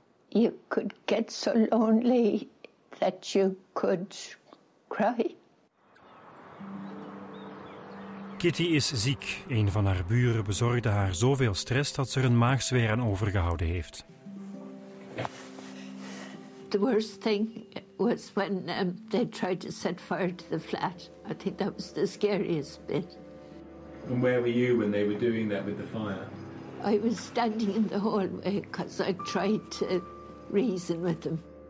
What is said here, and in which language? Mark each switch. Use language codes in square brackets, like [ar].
[en] You could get so lonely that you could cry. [nl] Kitty is ziek. Een van haar buren bezorgde haar zoveel stress dat ze er een maagzweer aan overgehouden heeft. [en] The worst thing was when they tried to set fire to the flat. I think that was the scariest bit. And where were you when they were doing that with the fire? I was standing in the hallway because I tried to reason with them.